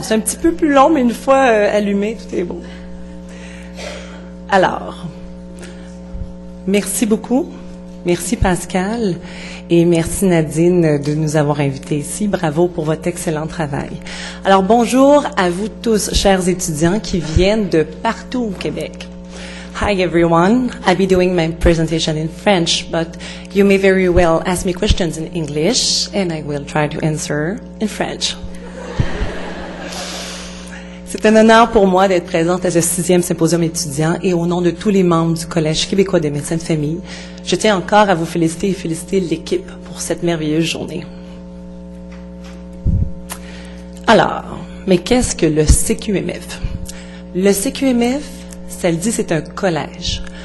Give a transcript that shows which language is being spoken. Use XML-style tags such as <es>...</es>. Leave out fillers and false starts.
<fr>C'est un petit peu plus long, mais une fois allumé, tout est beau. Alors, merci beaucoup. Merci Pascal et merci Nadine de nous avoir invités ici. Bravo pour votre excellent travail. Alors, bonjour à vous tous, chers étudiants qui viennent de partout au Québec.</fr> <en>Hi everyone. I'll be doing my presentation in French, but you may very well ask me questions in English and I will try to answer in French.</en> <fr>C'est un honneur pour moi d'être présente à ce 6e symposium étudiant et au nom de tous les membres du Collège québécois des médecins de famille, je tiens encore à vous féliciter et féliciter l'équipe pour cette merveilleuse journée. Alors, mais qu'est-ce que le CQMF? Le CQMF, ça le dit, c'est un collège.</fr>